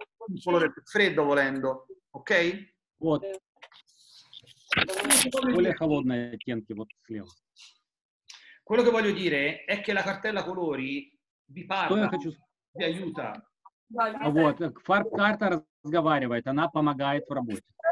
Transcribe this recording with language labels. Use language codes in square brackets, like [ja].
[it] Un colore più freddo volendo, ok? [ru] Вот. Более холодные оттенки вот слева. [it] Quello che voglio dire è che la cartella colori vi parla, vi aiuta. [ru] Вот, фарб-карта разговаривает, она помогает в работе.